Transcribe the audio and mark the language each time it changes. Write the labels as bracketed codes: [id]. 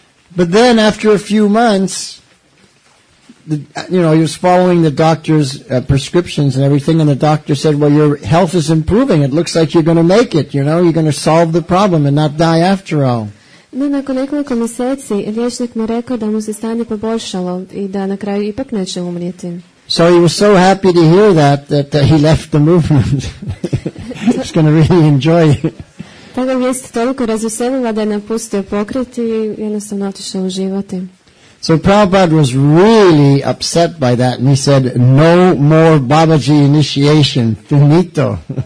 [en] But then after a few months, he was following the doctor's prescriptions and everything, and the doctor said, well, your health is improving. It looks like you're going to make it, you know. You're going to solve the problem and not die after all. [hr] No, nakon nekoliko mjeseci, liječnik mu rekao da mu se stanje poboljšalo i da na kraju ipak neće umrijeti. [en] So he was so happy to hear that he left the movement. He's going to really enjoy it. [hr] Tako je vijest toliko razveselila da je napustio pokret i jednostavno otišao u životi. [en] So Prabhupada was really upset by that and he said, no more Babaji initiation, finito.